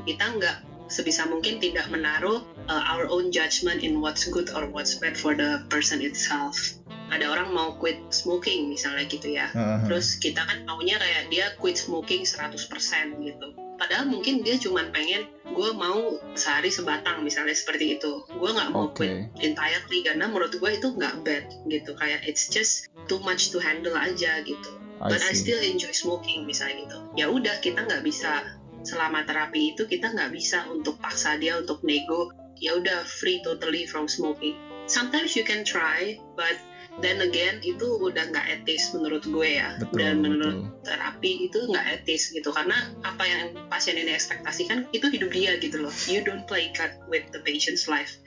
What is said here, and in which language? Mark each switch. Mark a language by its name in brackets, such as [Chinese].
[Indonesian] Kita nggak sebisa mungkin tidak menaruh our own judgment in what's good or what's bad for the person itself. Ada orang mau quit smoking misalnya gitu ya. Uh-huh. Terus kita kan maunya kayak dia quit smoking 100% gitu. Padahal mungkin dia cuma pengen gue mau sehari sebatang misalnya seperti itu. Gue gak mau quit entirely karena menurut gue itu gak bad gitu. [English] Kayak it's just too much to handle aja gitu. I still enjoy smoking misalnya gitu. [Indonesian] Ya udah, kita gak bisa selama terapi itu kita nggak bisa untuk paksa dia untuk nego ya udah free totally from smoking. Sometimes you can try, but then again itu udah nggak etis menurut gue ya. Betul, dan menurut betul. Terapi itu nggak etis gitu, karena apa yang pasien ini ekspektasikan itu hidup dia gitu loh. [English] You don't play cut with the patient's life.